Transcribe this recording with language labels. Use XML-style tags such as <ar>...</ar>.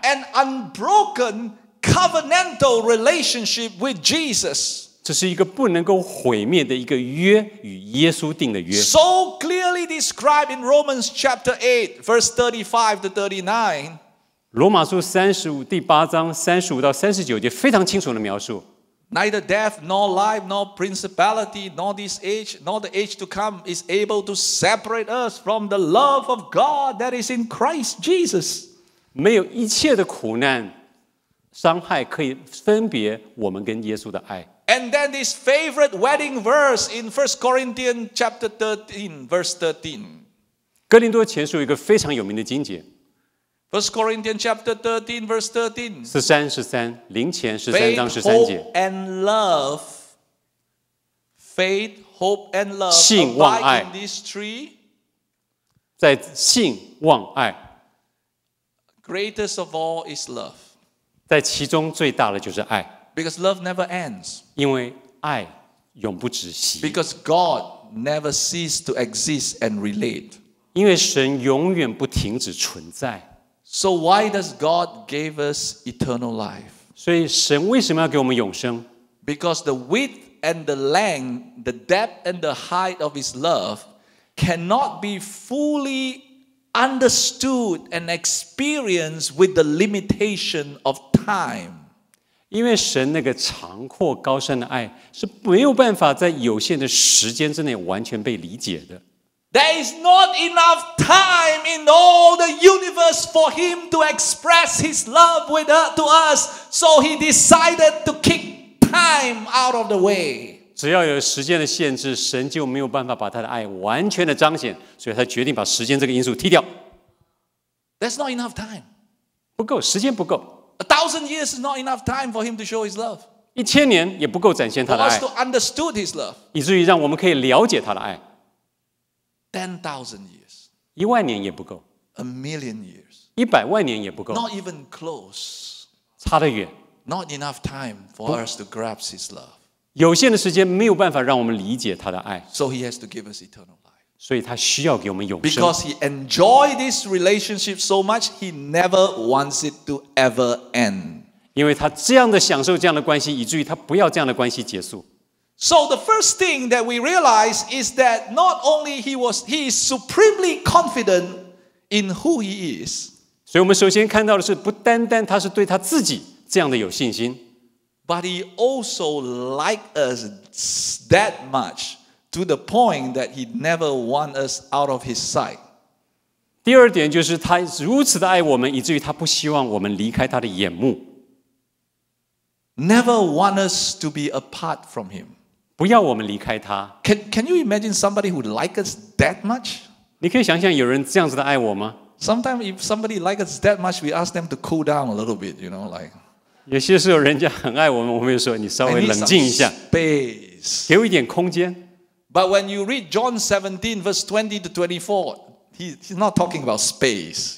<en>An unbroken covenantal relationship with Jesus.</en> <zh>这是一个不能够毁灭的一个约，与耶稣定的约。</zh> <en>So clearly described in Romans chapter 8, verse 35 to 39.</en> <zh>罗马书35第8章35到39节非常清楚的描述。</zh> <en>Neither death, nor life, nor principality, nor this age, nor the age to come is able to separate us from the love of God that is in Christ Jesus.</en> <zh>没有一切的苦难、伤害可以分别我们跟耶稣的爱。</zh> <en>And then this favorite wedding verse in 1 Corinthians chapter 13, verse 13.</en> <zh>哥林多前书有一个非常有名的经节。</zh> <en>First Corinthians chapter 13, verse 13.</en> <zh>十三十三，林前十三章十三节。</zh> <en>Faith, hope, and love. Faith, hope, and love.</en> <zh>信望爱。</zh> <en>In these three.</en> <zh>在信望爱。</zh> <en>Greatest of all is love.</en> <zh>在其中最大的就是爱。</zh> <en>Because love never ends.</en> <zh>因为爱永不止息。</zh> <en>Because God never ceases to exist and relate.</en> <zh>因为神永远不停止存在。</zh> <en>So why does God give us eternal life?</en> <zh>所以神为什么要给我们永生?</zh> <en>Because the width and the length, the depth and the height of His love cannot be fully understood and experienced with the limitation of time.</en> <zh>因为神那个长阔高深的爱是没有办法在有限的时间之内完全被理解的。</zh> <en>There is not enough time in all the universe for him to express his love with her, to us, so he decided to kick time out of the way.</en> <zh>只要有时间的限制，神就没有办法把他的爱完全的彰显，所以他决定把时间这个因素踢掉。</zh> <en>That's not enough time.</en> <zh>不够，时间不够。</zh> <en>1,000 years is not enough time for him to show his love.</en> <zh>1,000年也不够展现他的爱。</zh> <en>For us to understand his love.</en> <zh>以至于让我们可以了解他的爱。</zh> <en>10,000 years.</en> <zh>一万年也不够。</zh> <en>1,000,000 years.</en> <zh>一百万年也不够。</zh> <en>Not even close.</en> <zh>差得远。</zh> <en>Not enough time for us to grasp his love.</en> <zh>有限的时间没有办法让我们理解他的爱。</zh> <en>So he has to give us eternal life.</en> <zh>所以他需要给我们永生。</zh> <en>Because he enjoyed this relationship so much, he never wants it to ever end.</en> <zh>因为他这样的享受这样的关系，以至于他不要这样的关系结束。</zh> <en>So the first thing that we realize is that not only he is supremely confident in who he is.</en> <zh>所以我们首先看到的是，不单单他是对他自己这样的有信心。</zh> <en>But he also liked us that much to the point that he never wants us out of his sight.</en> <zh>第二点就是他如此的爱我们，以至于他不希望我们离开他的眼目。</zh> <en>Never want us to be apart from him.</en> <zh>不要我们离开他。</zh> <en>Can you imagine somebody who likes us that much?</en> <zh>你可以想想有人这样子的爱我吗？</zh> <en>Sometimes if somebody likes us that much, we ask them to cool down a little bit, you know, like.</en> <zh>有些时候人家很爱我们，我们就说你稍微冷静一下。</zh> <en>I need some space.</en> <zh>给我一点空间。</zh> <en>But when you read John 17 verse 20 to 24, he's not talking about space.</en>